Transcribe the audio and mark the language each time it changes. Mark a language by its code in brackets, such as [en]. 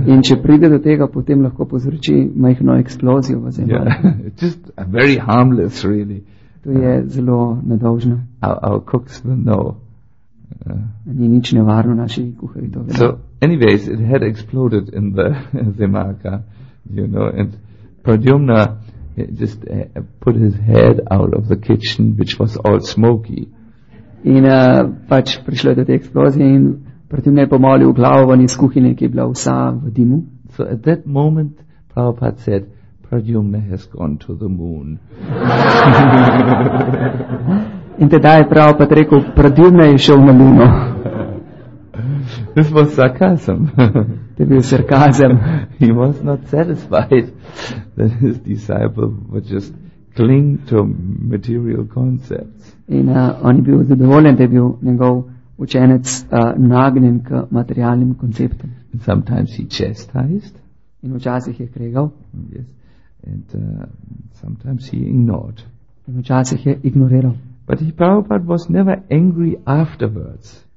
[sl] In če pride do tega, potem lahko povzroči majhno eksplozijo v zemarku. Yeah. [en] Just very harmless, really. [sl] To je zelo nedolžno. [en] Our cooks will know. [sl] Ni nič nevarno, naši kuhari to vedo. [en] So, anyways, it had exploded in the zemarka, you know, and Pradyumna he just put his head out of the kitchen, which was all smoky. [sl] In pač prišlo do te eksplozije in Pradyumna je pomolil glavo ven iz kuhine, ki je bila vsa v dimu. [en] So at that moment, Prabhupada said, Pradyumna has gone to the moon. [sl] In teda je Prabhupada rekel, Pradyumna je šel na luno. [en] This was sarcasm. [sl] To bil sarkazem. [en] He was not satisfied that his disciple would just cling to material concepts. [sl] In on je bil zadovoljen, da je bil njegov učenec nagnjen k materialnim konceptom. [en] And sometimes he chastised. [sl] In včasih je kregal. Yes. [en] And sometimes he ignored. [sl] In včasih je ignoriral. [en] But he, Prabhupada, was never angry afterwards.